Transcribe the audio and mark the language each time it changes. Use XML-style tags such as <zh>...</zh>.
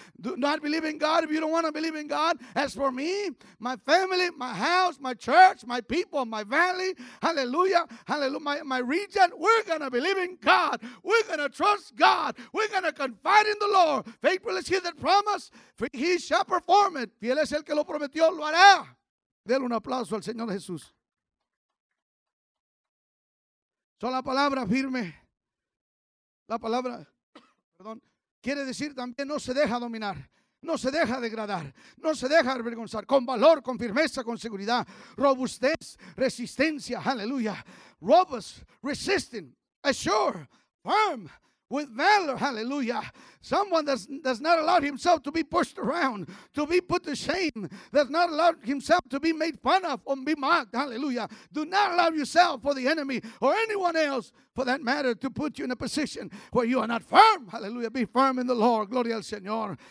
<en>Do not believe in God if you don't want to believe in God. As for me, my family, my house, my church, my people, my valley, hallelujah, hallelujah, my region, we're going to believe in God. We're going to trust God. We're going to confide in the Lord. Faithful is he that promised, he shall perform it.</en> <es>Fiel es el que lo prometió, lo hará. Dele un aplauso al Señor Jesús. So, la palabra firme, la palabra, perdón, quiere decir también no se deja dominar, no se deja degradar, no se deja avergonzar, con valor, con firmeza, con seguridad, robustez, resistencia, hallelujah,</es> <en>robust, resisting, assured, firm, with valor, hallelujah. Someone that does not allow himself to be pushed around, to be put to shame, does not allow himself to be made fun of or be mocked, hallelujah. Do not allow yourself for the enemy or anyone else, for that matter, to put you in a position where you are not firm, hallelujah. Be firm in the Lord,</en> <es>gloria al Señor.</es>